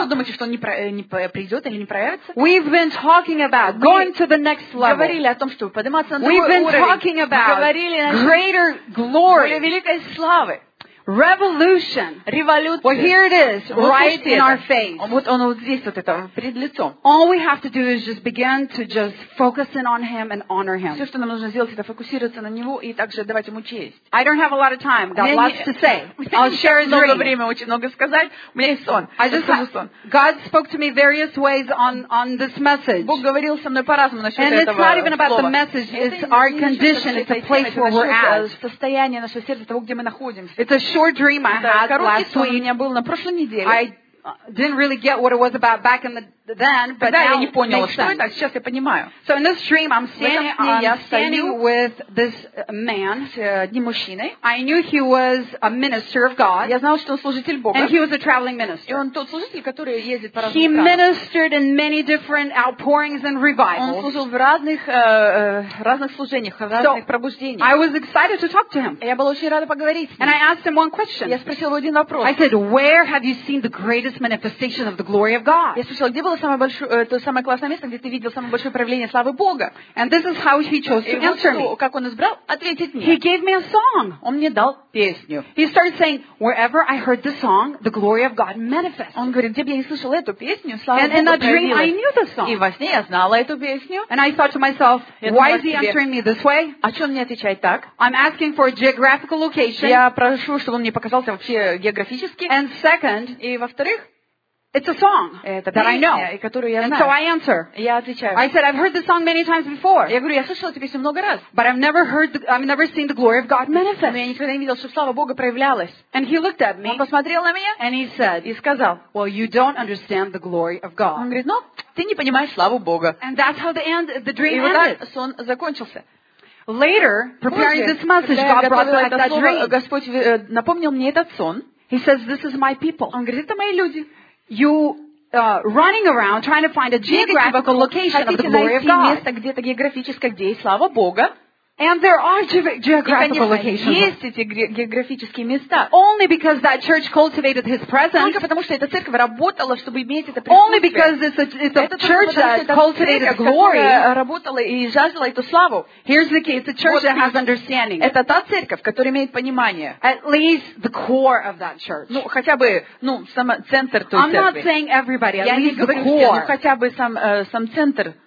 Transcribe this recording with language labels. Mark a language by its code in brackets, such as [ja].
[ru] Вы что, думаете, что он не придет или не проявится? [en] We've been talking about going to the next level. [ru] Говорили о том, чтобы подниматься на другой уровень. [en] We've been talking about greater glory. [ru] Более великой славы. [en] Revolution. [ru] Революция. [en] Well, here it is, right in our face. [ru] Вот он вот здесь вот это перед лицом. [en] All we have to do is just begin to just focus in on Him and honor Him. [ru] Все, что нам нужно сделать, это фокусироваться на Него и также давать Ему честь. [en] I don't have a lot of time. Got lots to say. I'll share his dream. [ru] Много времени, очень много сказать. У меня есть сон. [en] I just have [ru] сон. [en] God spoke to me various ways on this message. [ru] Бог говорил со мной по-разному насчет [en] and [ru] этого слова. [en] And it's not even about the message. It's our condition. It's a place where we're at. [ru] Состояние нашего сердца, того, где мы находимся. [en] It's a short dream I had last week. [ru] У меня был на прошлой неделе. [en] I didn't really get what it was about back in the then, but [ru] тогда я не понял, что это. Сейчас я понимаю. [en] So in this dream, I'm standing with this man, [ru] с одним мужчиной. [en] I knew he was a minister of God. [ru] Я знал, что он служитель Бога. [en] And he was a traveling minister. [ru] И он тот служитель, который ездит по разным странам. [en] He ministered in many different outpourings and revivals. [ru] Он служил в разных служениях, в разных пробуждениях. [en] I was excited to talk to him. [ru] Я была очень рада поговорить с ним. [en] And I asked him one question. [ru] Я спросила его один вопрос. [en] I said, where have you seen the greatest manifestation of the glory of God? [ru] Я спросила, где было самое классное место, где ты видел самое большое проявление славы Бога? [en] And this is how he chose to answer me. [ru] Как он избрал ответить мне? [en] He gave me a song. [ru] Он мне дал песню. [en] He started saying, wherever I heard the song, the glory of God manifests. [ru] Он говорит, где бы я не слышал эту песню, слава Богу проявилась. [en] And in that dream, I knew the song. [ru] И во сне я знала эту песню. [en] And I thought to myself, why is he answering me this way? [ru] О чем мне отвечает так? [en] I'm asking for a geographical location. [ru] Я прошу, чтобы он мне показался вообще географически. [en] And second, [ru] и во-вторых, [en] it's a song that I know. And so I answer. I said, I've heard the song many times before. [ru] Я говорю, я слышала эту песню много раз. [en] But I've never seen the glory of God manifest. [ru] Но я никогда не видел, чтобы слава Бога проявлялась. [en] And he looked at me. [ru] Он посмотрел на меня. [en] And he said, [ru] и сказал, [en] well, you don't understand the glory of God. [ru] Он говорит, ну, ты не понимаешь славу Бога. [en] And that's how the dream ended. [ru] И вот так сон закончился. [en] Later, preparing this message, God brought back that dream. [ru] Господь напомнил мне этот сон. [en] He says, this is my people. [ru] Он говорит, это мои люди. [en] You running around trying to find a geographical location of the glory of God. [ru] Место где-то географическое, где и слава Бога. [en] And there are geographical locations. [ru] Есть эти географические места. [en] Only because that church cultivated his presence. [ru] Только потому что эта церковь работала, чтобы иметь это присутствие. [en] Only because it's a church that cultivated glory. [ru] Работала и жаждала эту славу. [en] Here's the key. It's a church that has understanding. [ru] Это та церковь, которая имеет понимание. [en] At least the core of that church. [ru] Ну хотя бы ну сам центр той церкви. [en] I'm not saying everybody. At least the core. [ru] Я не говорю все, но хотя бы сам центр.